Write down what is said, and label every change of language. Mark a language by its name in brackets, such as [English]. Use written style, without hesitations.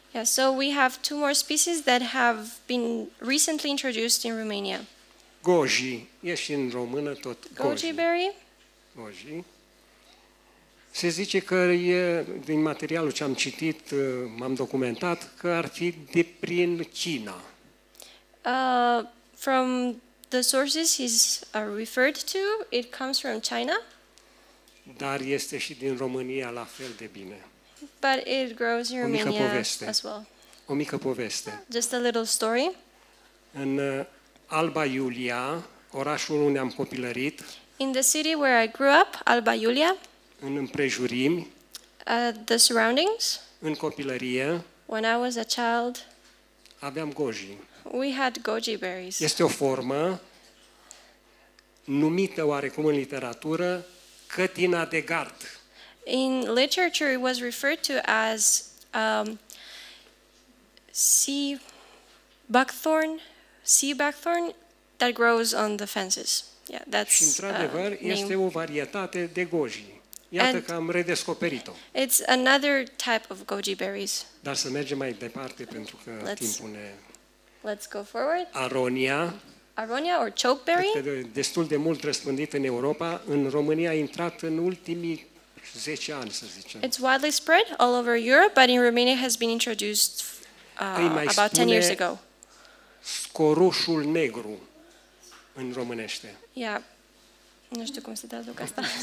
[English] Yeah, so we have two more species that have been recently introduced in Romania. [Romanian] Goji, e și în română tot goji. [English] Goji berry. Goji. [Romanian] Se zice că e, din materialul ce am citit, m-am documentat, că ar fi de prin China. [English] From the sources he's referred to, it comes from China. [Romanian] Dar este și din România la fel de bine. [English] But it grows in Romania [Romanian] poveste. [English] As well. [Romanian] O mică poveste. [English] Just a little story. [Romanian] În Alba Iulia, orașul unde am copilărit. [English] In the city where I grew up, Alba Iulia. [Romanian] În împrejurimi. [English] The surroundings. [Romanian] În copilărie. [English] When I was a child. [Romanian] Aveam goji. [English] We had goji berries. [Romanian] Este o formă numită oarecum în literatură cătina de gard. [English] In literature it was referred to as sea buckthorn that grows on the fences. Yeah, that's. [Romanian] Și într-adevăr este o varietate de goji. Iată [English] and [Romanian] că am redescoperit-o. [English] It's another type of goji berries. [Romanian] Dar să mergem mai departe pentru că timpul ne. [English] Let's go forward. [Romanian] Aronia. [English] Aronia or chokeberry. [Romanian] Este destul de mult răspândit în Europa. În România a intrat în ultimii 10 ani, să zicem. [English] It's widely spread all over Europe, but in Romania has been introduced about 10 years ago. [Romanian] Scorușul negru în românește. [English] Yeah. [Romanian] Nu știu cum se traduce asta.